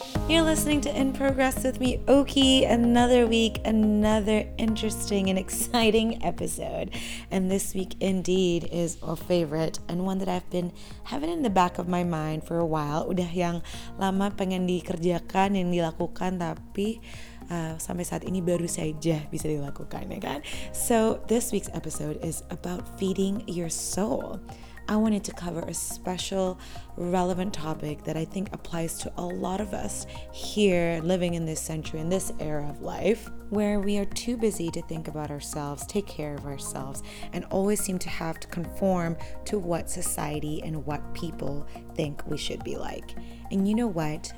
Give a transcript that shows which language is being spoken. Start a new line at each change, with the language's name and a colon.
English: You're listening to In Progress with me, Oki. Another week, another interesting and exciting episode. And this week indeed is a favorite and one that I've been having in the back of my mind for a while.
Indonesian: Udah yang lama pengen dikerjakan, yang dilakukan, tapi sampai saat ini baru saja bisa dilakukan, ya kan?
English: So this week's episode is about feeding your soul. I wanted to cover a special, relevant topic that I think applies to a lot of us here living in this century, in this era of life, where we are too busy to think about ourselves, take care of ourselves, and always seem to have to conform to what society and what people think we should be like. And you know what?